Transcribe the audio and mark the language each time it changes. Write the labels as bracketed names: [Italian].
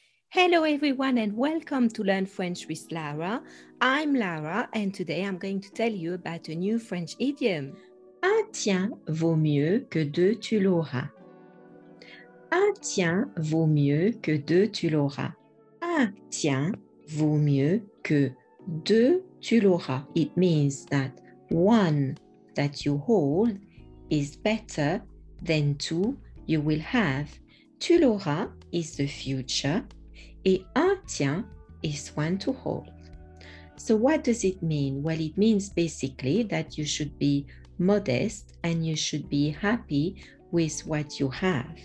[English] Hello everyone and welcome to Learn French with Lara. I'm Lara and today I'm going to tell you about a new French idiom. [French] Un tien vaut mieux que deux tu l'auras. Un tien vaut mieux que deux tu l'auras. Un tien vaut mieux que deux tu l'auras. [English] It means that one that you hold is better than two you will have. [French] Tu l'auras [English] is the future. [French] Et un tien [English] is one to hold. So what does it mean? Well, it means basically that you should be modest and you should be happy with what you have.